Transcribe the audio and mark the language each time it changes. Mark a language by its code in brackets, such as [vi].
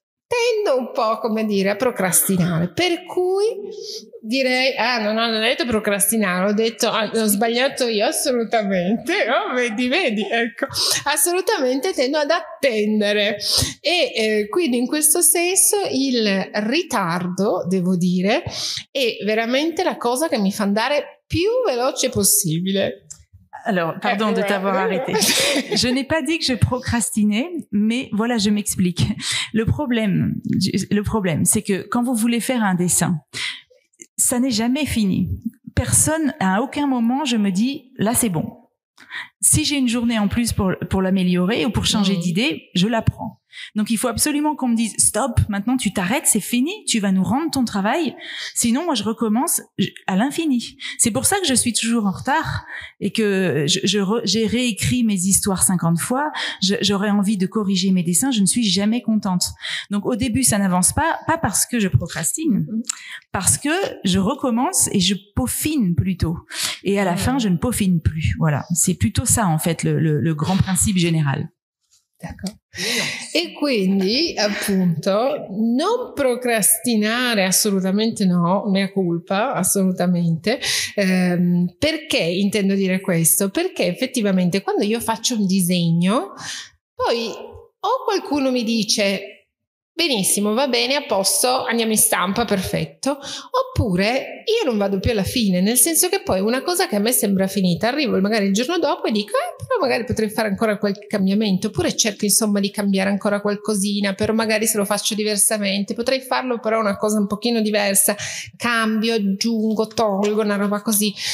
[it] tendo un po', come dire, a procrastinare, per cui direi, non ho detto procrastinare, ho sbagliato io assolutamente, oh, vedi, ecco, assolutamente tendo ad attendere e quindi in questo senso il ritardo, devo dire, è veramente la cosa che mi fa andare più veloce possibile. [fr] Alors, pardon de t'avoir arrêté. Je n'ai pas dit que je procrastinais, mais voilà, je m'explique. Le problème, c'est que quand vous voulez faire un dessin, ça n'est jamais fini. Personne, à aucun moment, je me dis, là, c'est bon. Si j'ai une journée en plus pour l'améliorer ou pour changer d'idée, je la prends. Donc, il faut absolument qu'on me dise, stop, maintenant, tu t'arrêtes, c'est fini, tu vas nous rendre ton travail. Sinon, moi, je recommence à l'infini. C'est pour ça que je suis toujours en retard et que j'ai réécrit mes histoires 50 fois. J'aurais envie de corriger mes dessins. Je ne suis jamais contente. Donc, au début, ça n'avance pas parce que je procrastine, parce que je recommence et je peaufine plutôt. Et à la fin, je ne peaufine plus. Voilà. C'est plutôt ça, en fait, le grand principe général. [it] E quindi appunto non procrastinare assolutamente no, mea culpa assolutamente, perché intendo dire questo? Perché effettivamente quando io faccio un disegno poi o qualcuno mi dice benissimo va bene a posto andiamo in stampa perfetto oppure io non vado più alla fine nel senso che poi una cosa che a me sembra finita arrivo magari il giorno dopo e dico però magari potrei fare ancora qualche cambiamento oppure cerco insomma di cambiare ancora qualcosina però magari se lo faccio diversamente potrei farlo però una cosa un pochino diversa cambio, aggiungo, tolgo una roba così